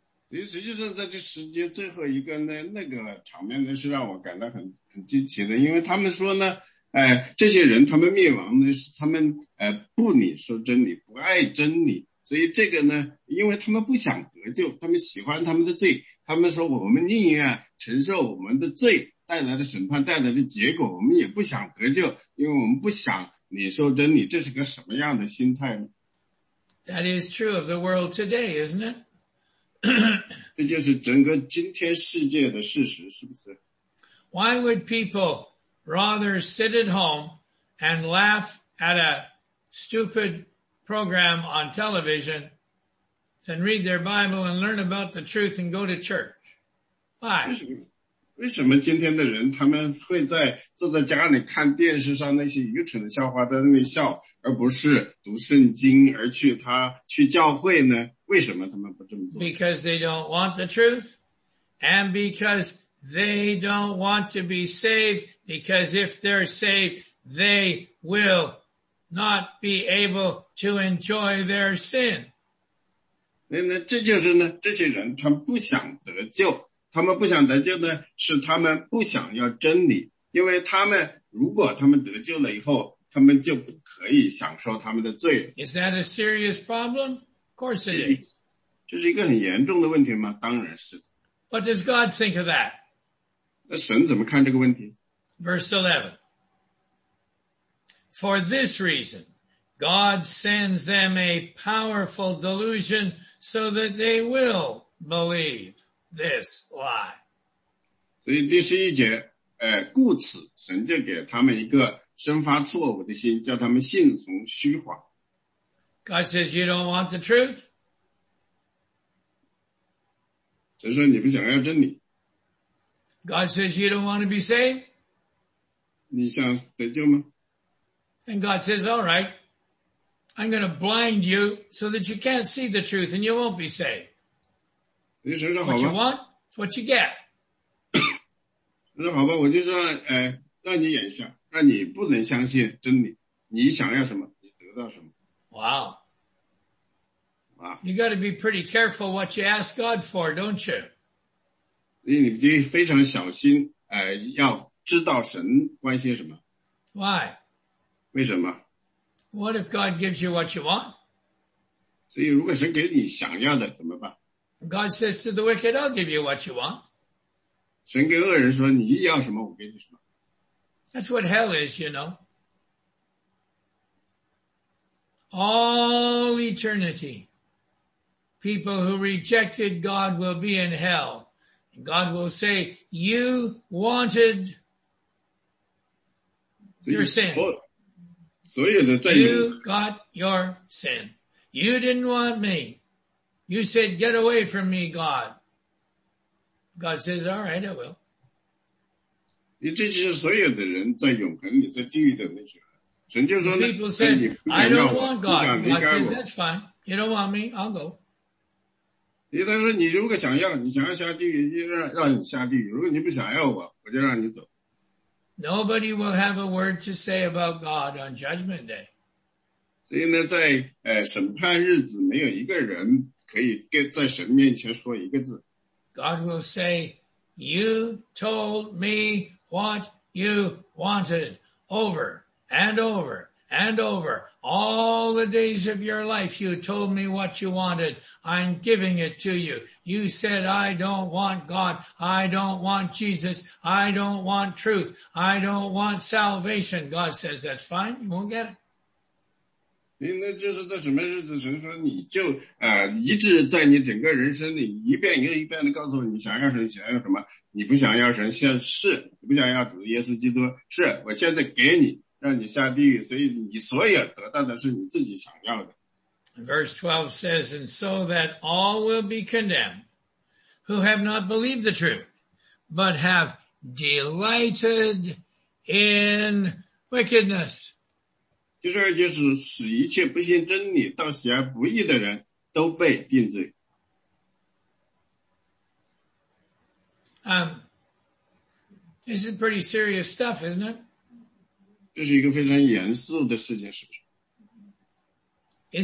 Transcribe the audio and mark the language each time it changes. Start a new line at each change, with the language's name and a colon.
Chinese: 所以实际上在这时间最后一个呢，那个场面呢是让我感到很惊奇的，因为他们说呢，这些人他们灭亡呢是他们不领受真理，不爱真理，所以这个呢，因为他们不想得救，他们喜欢他们的罪，他们说我们宁愿承受我们的罪带来的审判带来的结果，我们也不想得救，因为我们不想领受真理，这是个什么样的心态呢？
English: That is true of the world today, isn't it?
Chinese: 这就是整个今天世界的事实，是不是？
English: Why would people rather sit at home and laugh at a stupid program on television than read their Bible and learn about the truth and go to church? Why?
Chinese: 为什么今天的人他们会在坐在家里看电视上那些愚蠢的笑话在那里笑，而不是读圣经而去教会呢？为什么他们不这么做？
English: Because they don't want the truth, and because they don't want to be saved, because if they're saved, they will not be able to enjoy their sin.
Chinese: 那这就是呢，这些人他们不想得救，他们不想得救呢，是他们不想要真理，因为他们如果他们得救了以后，他们就不可以享受他们的罪。
English: Is that a serious problem? Of course it is.
Chinese: 这是一个很严重的问题吗？当然是。
English: What does God think of that?
Chinese: 那神怎么看这个问题？
English: Verse 11. For this reason, God sends them a powerful delusion so that they will believe this lie.
Chinese: 所以第十一节，故此神就给他们一个生发错误的心，叫他们信从虚谎。
English: God says you don't want the truth.
Chinese: 神说你不想要真理。
English: God says you don't want to be saved.
Chinese: 你想得救吗？
English: And God says, all right, I'm going to blind you so that you can't see the truth and you won't be saved.
Chinese: 神说好吧。
English: What you want, it's what you get.
Chinese: 神说好吧，我就说，让你眼瞎。让你不能相信真理，你想要什么，你得到什么。
English: Wow. Wow. You gotta be pretty careful what you ask God for, don't you?
Chinese: 所以你就非常小心，要知道神关心什么。
English: Why?
Chinese: 为什么？
English: What if God gives you what you want?
Chinese: 所以如果神给你想要的怎么办？
English: God says to the wicked, I'll give you what you want.
Chinese: 神跟恶人说你要什么我给你什么。
English: That's what hell is, you know. All eternity, people who rejected God will be in hell. God will say, you wanted your sin. You got your sin. You didn't want me. You said, get away from me, God. God says, all right, I will.
Chinese: 你这就是所有的人在永恒里在地狱的那些人。神就说呢
English: People said, I don't want God. God says, that's fine. You don't want me, I'll go.
Chinese: 因为他说你如果想要你想要下地狱就 让你下地狱。如果你不想要我我就让你走。
English: Nobody will have a word to say about God on Judgment Day.
Chinese: 所以呢在审判日子没有一个人可以在神面前说一个字。
English: God will say, you told me,What you wanted over and over and over. All the days of your life, you told me what you wanted. I'm giving it to you. You said, I don't want God. I don't want Jesus. I don't want truth. I don't want salvation. God says, that's fine. You won't get it.
Chinese: 那就是在什么日子神说你就一直在你整个人生里一遍又一遍地告诉你想要什么想要什么。你不想要神现世你不想要主耶稣基督是我现在给你让你下地狱所以你所有得到的是你自己想要的。
English: Verse 12 says, And so that all will be condemned who have not believed the truth, but have delighted in wickedness.
Chinese: 第二就是使一切不信真理到喜爱不义的人都被定罪。
English: This is pretty serious stuff, isn't it?
Chinese: 这是一个非常严肃的事情，是不是？